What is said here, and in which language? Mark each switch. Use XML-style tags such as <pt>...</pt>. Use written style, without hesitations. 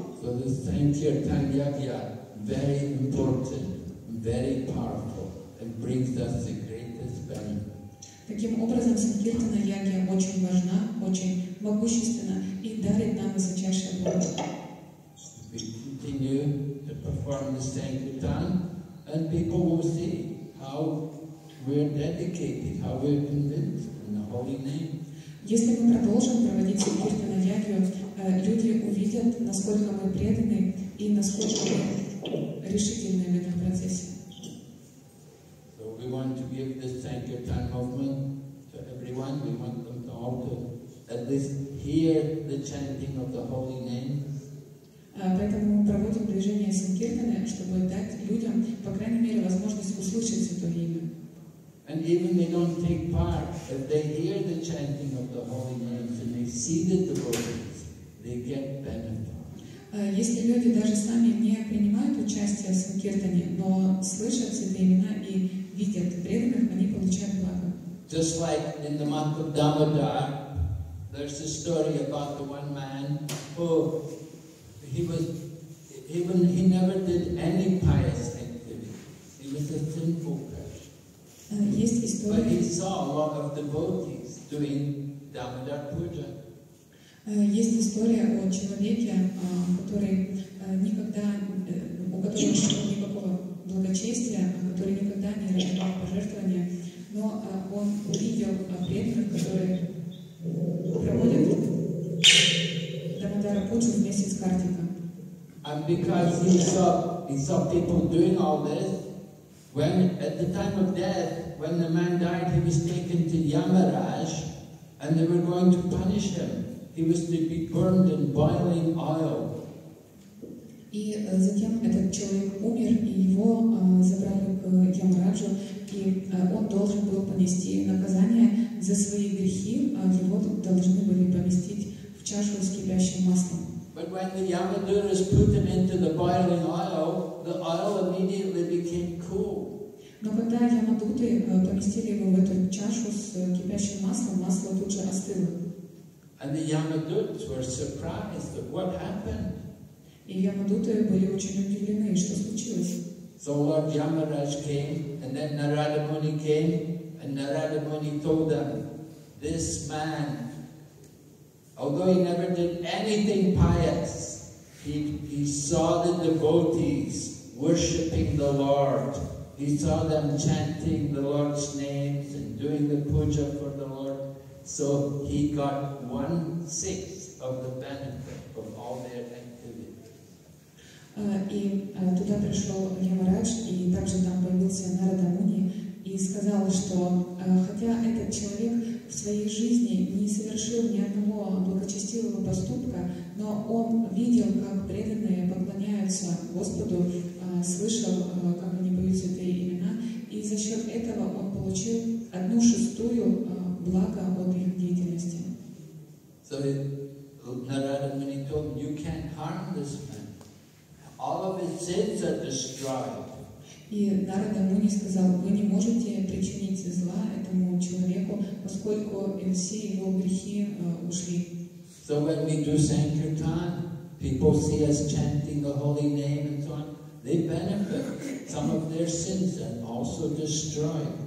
<en>So the Sankirtan Yagya, very important, very powerful, and brings us the greatest benefit.</en> <ru>Таким образом, Санкиртана Ягья очень важна, очень могущественна и дарит нам высочайшее благо.</ru> <en>We continue to perform the Sankirtan, and people will see how we're dedicated, how we're convinced in the holy name.</en> <ru>Если мы продолжим проводить Санкиртана Ягью, люди увидят, насколько мы преданы и насколько мы решительны в этом процессе.</ru> <en>So we want to give this Sankirtan movement to everyone. We want them to all to at least hear the chanting of the holy name.</en> <ru>Поэтому мы проводим движение Санкиртаны, чтобы дать людям, по крайней мере, возможность услышать Святое Имя.</ru> <en>And even they don't take part, if they hear the chanting of the holy names and they see the devotees, they get benefit.</en> <ru>Если люди даже сами не принимают участие в Санкиртане, но слышат Святые Имена и видят преданных, они получают благо.</ru> <en>Just like in the month of Damodar, there's a story about the one man who he never did any pious activity. He was a sinful person.</en> <ru>Есть история.</ru> <en>But he saw a lot of devotees doing Damodar Puja.</en> <ru>Есть история о человеке, у которого не было никакого благочестия, который никогда не раздавал пожертвования, но он увидел преданных, которые проводят Дамодара Пуджу вместе с Картиком.</ru> <en>And because he saw people doing all this, when at the time of death, when the man died, he was taken to Yamaraj, and they were going to punish him. He was to be burned in boiling oil.</en> <ru>И затем этот человек умер, и его забрали к Ямараджу, и он должен был понести наказание за свои грехи, а его тут должны были поместить в чашу с кипящим маслом.</ru> <en>But when the Yamadutas put him into the boiling oil, the oil immediately became cool.</en> <ru>Но когда Ямадуты поместили его в эту чашу с кипящим маслом, масло тут же остыло.</ru> <en>And the Yamadutas were surprised at what happened.</en> <ru>И Ямадуты были очень удивлены, что случилось.</ru> <en>So Lord Yamaraj came, and then Narada Muni came, and Narada Muni told them, this man, although he never did anything pious, he saw the devotees worshipping the Lord. He saw them chanting the Lord's names and doing the puja for the Lord. So he got 1/6 of the benefit of all their activities.</en> <ru>Туда пришел Ямарадж, и также там появился Нарада Муни, и сказал, что хотя этот человек в своей жизни не совершил ни одного благочестивого поступка, но он видел, как преданные поклоняются Господу, слышал, как они поют святые имена, и за счет этого он получил 1/6 блага от их деятельности.</ru> <en>So Narada Muni told him, you can't harm this man. All of his sins are destroyed.</en> <ru>И Нарада Муни сказал, вы не можете причинить зла этому человеку, поскольку все его грехи ушли.</ru> <en>So when we do Sankirtan, people see us chanting the holy name and so on, they benefit some of their sins and also destroy.</en>